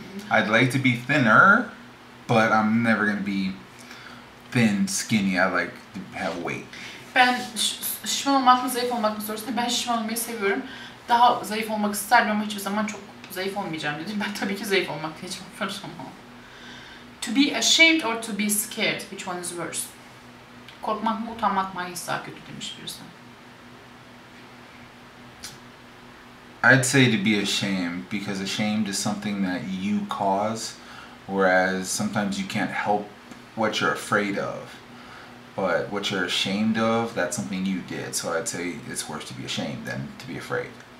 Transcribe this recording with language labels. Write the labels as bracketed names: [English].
[English] I'd like to be thinner, but I'm never gonna be thin, skinny. I like to have weight. [Turkish] Ben şişman olmak mı, zayıf olmak mı sorusunda ben şişman olmayı seviyorum. Daha zayıf olmak isterdim ama hiçbir zaman çok zayıf olmayacağım dedim. Ben tabii ki zayıf olmak diyeceğim. [English] To be ashamed or to be scared, which one is worse? [Turkish] Korkmak mı, utanmak mı, hangisi daha kötü demiş birisi. [English] I'd say to be ashamed, because ashamed is something that you cause, whereas sometimes you can't help what you're afraid of. But what you're ashamed of, that's something you did. So I'd say it's worse to be ashamed than to be afraid.